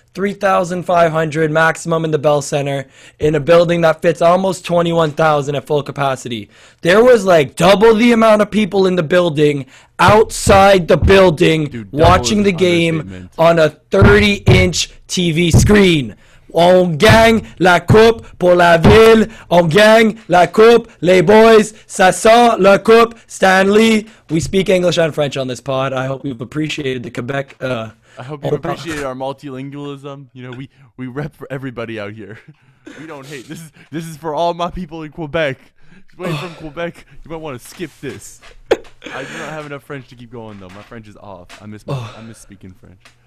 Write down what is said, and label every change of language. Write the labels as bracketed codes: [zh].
[en] 3,500 maximum in the Bell Center in a building that fits almost 21,000 at full capacity. There was like double the amount of people in the building outside the building watching the game on a 30-inch TV screen. [fr] On gagne la coupe pour la ville. On gagne la coupe, les boys. Ça sent la coupe, Stanley. [en] We speak English and French on this pod. I hope you've appreciated the Quebec. I hope you've appreciated our multilingualism. You know, we rep for everybody out here. We don't hate. This is for all my people in Quebec. If you're from Quebec, you might want to skip this. I do not have enough French to keep going, though. My French is off. I miss speaking French.